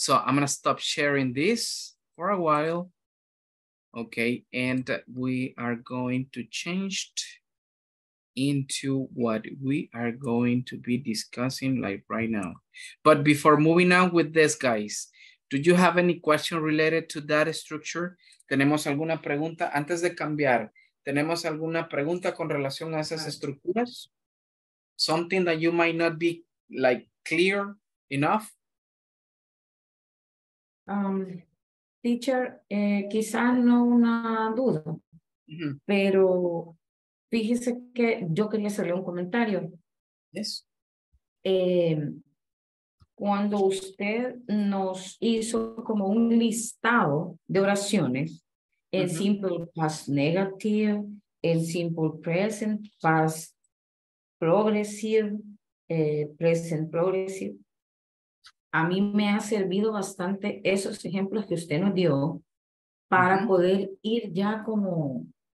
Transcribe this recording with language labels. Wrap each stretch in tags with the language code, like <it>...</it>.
<en>So I'm going to stop sharing this for a while. Okay. And we are going to change it into what we are going to be discussing like right now. But before moving on with this, guys, do you have any question related to that structure?</en> <es>¿Tenemos alguna pregunta? Antes de cambiar, ¿tenemos alguna pregunta con relación a esas estructuras?</es> <en>Something that you might not be like clear enough?</en> <es>Teacher, quizás no una duda, mm-hmm, pero fíjese que yo quería hacerle un comentario.</es> <en>Yes.</en> <es>Cuando usted nos hizo como un listado de oraciones, el mm-hmm, simple past negative, el simple present, past progressive, present progressive, a mí me ha servido bastante esos ejemplos que usted nos dio para mm-hmm, poder ir ya como</es>